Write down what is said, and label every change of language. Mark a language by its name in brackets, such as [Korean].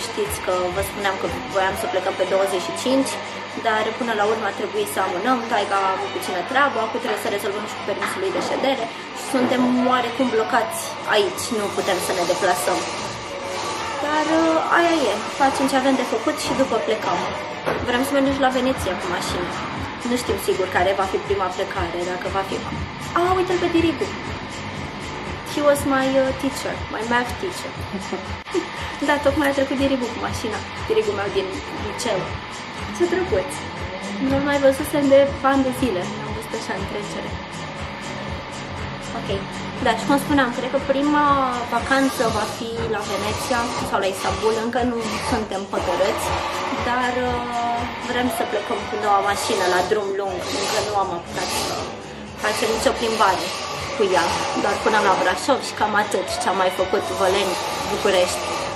[Romanian] Știți că vă spuneam că voiam să plecăm pe 25, dar până la urmă a trebuit să amânăm, Taiga a avut puțină treabă, acum trebuie să rezolvăm și cu permisul lui de ședere și suntem oarecum blocați aici, nu putem să ne deplasăm. Dar aia e, facem ce avem de făcut și după plecăm. Vrem să mergem și la Veneția cu mașină. Nu știm sigur care va fi prima plecare, dacă va fi... A, uite-l pe Diribu! [English] He was my teacher, my math teacher. [Romanian] Da, tocmai a trecut Diribu cu mașina, Diribul meu din liceu. Ce drăguț! Nu mai văzusem de ani de zile, am văzut așa în trecere. Ok, da, și cum spuneam, cred că prima vacanță va fi la Veneția sau la Istanbul, încă nu suntem hotărâți, dar vrem să plecăm cu noua mașină la drum lung, încă nu am apucat să facem nicio plimbare cu ea, doar până la Brașov și cam atât ce am mai făcut Văleni, București.